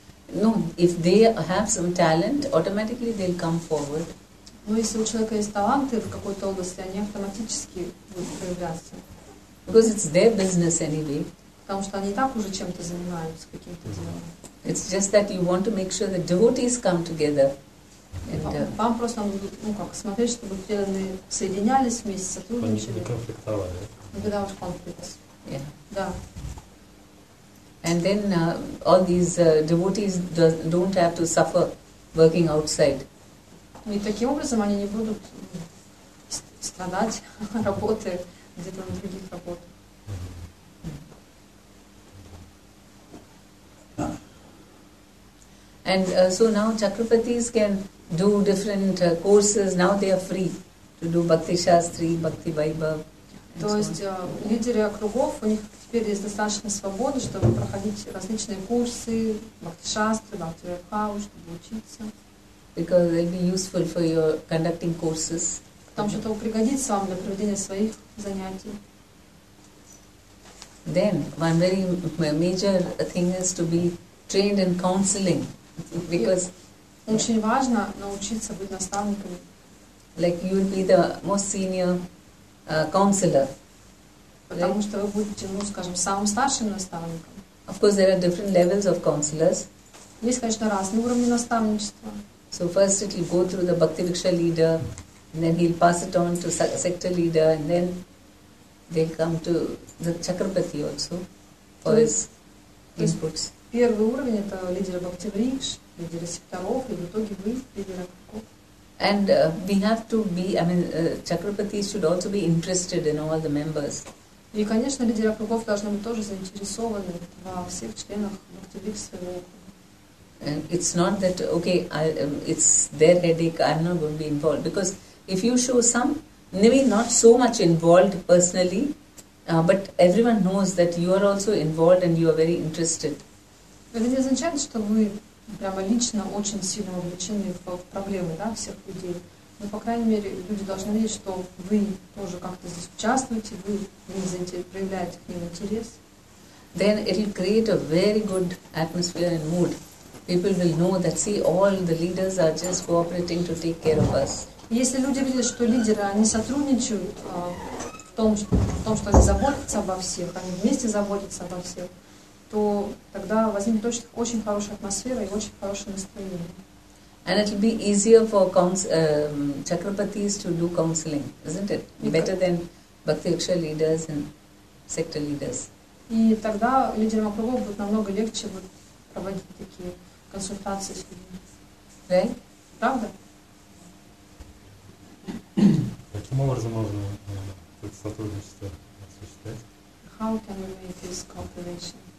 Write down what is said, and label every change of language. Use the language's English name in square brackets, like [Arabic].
[English] No, if they have some talent, automatically they'll come forward. [Russian] Но если у человека есть таланты в какой-то области, они автоматически будут проявляться. [English] Because it's their business anyway. [Russian] Потому что они так уже чем-то занимаются каким-то делом. [English] It's just that you want to make sure the devotees come together. [Russian] Вам просто надо, смотреть, чтобы преданные соединялись вместе, сотрудничали. Не конфликтовали. [English] Without conflicts. Yeah. [Russian] Да. [English] And then all these devotees don't have to suffer working outside. [Russian] И таким образом они не будут страдать работы где-то на других работах. [English] And so now Chakrapartis can do different courses. Now they are free to do Bhakti Shastri, Bhakti Vaibhav. [Russian] То есть лидеры округов, у них теперь есть достаточно свободы, чтобы проходить различные курсы, бхакти-шастры, бхакти-вайбхава, чтобы учиться. [English] Because they'll be useful for your conducting courses. [Russian] Потому что это пригодится вам для проведения своих занятий. [English] Then, one very major thing is to be trained in counseling. Because [Russian] очень важно научиться быть наставником. [English] Like you will be the most senior counselor. [Russian] Потому [English] right? [Russian] что вы будете, скажем, самым старшим наставником. [English] Of course, there are different levels of counselors. [Russian] Есть, конечно, разные уровни наставничества. [English] So first it will go through the Bhakti Viksha leader, and then he'll pass it on to sector leader, and then they'll come to the Chakrapati also for his inputs. [Russian] Первый уровень это лидеры Бхакти Вриш, лидеры секторов, и в итоге вы лидеры округов. [English] And we have to be, Chakrapati should also be interested in all the members. [Russian] И, конечно, лидеры округов должны быть тоже заинтересованы во всех членах Бхакти Вриш своего округа. [English] It's not that, okay, it's their headache, I'm not going to be involved. Because if you show maybe not so much involved personally, but everyone knows that you are also involved and you are very interested. [Russian] Это не означает, что вы прямо лично очень сильно вовлечены в проблемы, да, всех людей. Но, по крайней мере, люди должны видеть, что вы тоже как-то здесь участвуете, вы проявляете к ним интерес. [English] Then it will create a very good atmosphere and mood. People will know that, see, all the leaders are just cooperating to take care of us. [Russian] Если люди видят, что лидеры, они сотрудничают в том, что они заботятся обо всех, они вместе заботятся обо всех, то тогда возникнет очень, очень хорошая атмосфера и очень хорошее настроение. [English] And it will be easier for chakrapatis to do counseling, isn't it? Better than bhakti-yaksha leaders and sector leaders. [Russian] И тогда лидерам округов будет намного легче вот, проводить такие консультации с людьми. [English] Right? [Russian] Правда? Каким образом можно это сотрудничество осуществлять? [English] How can we make this cooperation?